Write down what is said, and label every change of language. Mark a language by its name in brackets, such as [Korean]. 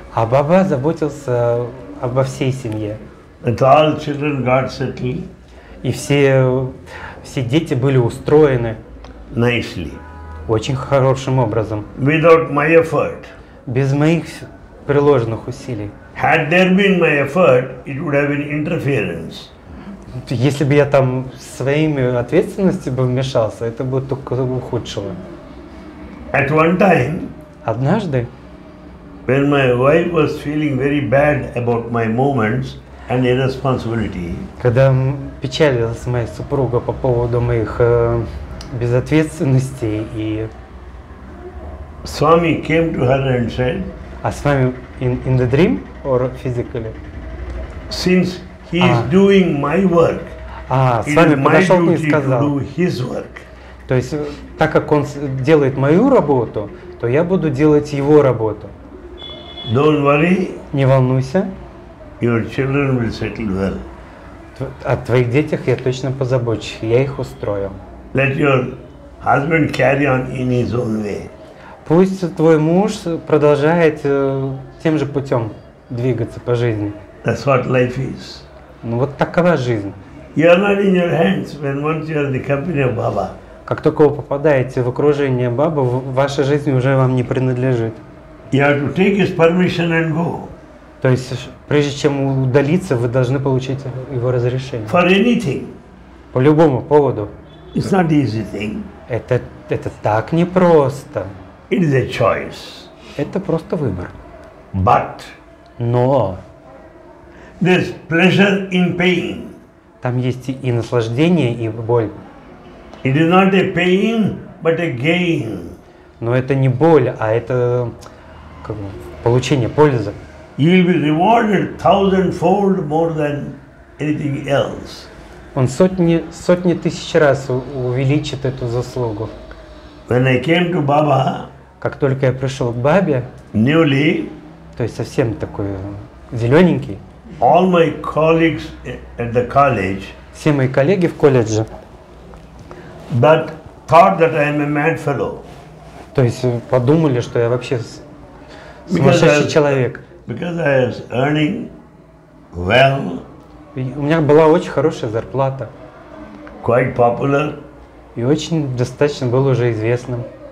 [Russian] А Баба заботился обо всей семье. [English] And all children got settled. [Russian] И все дети были устроены. [English] Nicely. [Russian] Очень хорошим образом. [English] Without my effort. [Russian] Без моих приложенных усилий. [English] Had there been my effort, it would have been interference. [Russian] Если бы я там своими ответственностями бы вмешался, это бы только ухудшило. [English] At one time, [Russian] однажды, [English] when my wife was feeling very bad about my moments and irresponsibility, [Russian] когда печалилась моя супруга по поводу моих безответственностей и... [English] Swami came to her and said, [Russian] а с вами [English] in the dream or physically? Since He is doing my work. [Russian] С вами подошел и сказал. [English] To do his work. [Russian] То есть, так как он делает мою работу, то я буду делать его работу. [English] Don't worry. [Russian] Не волнуйся. [English] Your children will settle well. [Russian] О твоих детях я точно позабочусь. Я их устрою. [English] Let your husband carry on in his own way. [Russian] Пусть твой муж продолжает тем же путем двигаться по жизни. [English] That's what life is. [Russian] Ну вот такова жизнь. [English] You are not in your hands when once you are in the company of Baba. [Russian] Как только вы попадаете в окружение Бабы, ваша жизнь уже вам не принадлежит. [English] You have to take his permission and go. [Russian] То есть, прежде чем удалиться, вы должны получить его разрешение. [English] For anything. [Russian] По любому поводу. [English] It's not easy thing. [Russian] Это так непросто. [English] It is a choice. [Russian] Это просто выбор. [English] But. [Russian] Но. [English] There's pleasure in pain. [Russian] Там есть и наслаждение, и боль. [English] It is not a pain, but a gain. [Russian] Но это не боль, а это как бы, получение пользы. [English] You'll be rewarded thousandfold more than anything else. [Russian] Он сотни тысяч раз увеличит эту заслугу. [English] When I came to Baba, [Russian] как только я пришел к Бабе, [English] newly, [Russian] то есть совсем такой зелененький, [English] all my colleagues at the college, [Russian] все мои коллеги в колледже, [English] but thought that I am a mad fellow. [Russian] То есть подумали, что я вообще сумасшедший человек. [English] Because I was earning well. [Russian] У меня была очень хорошая зарплата. [English] Quite popular. [Russian] И очень достаточно был уже известным.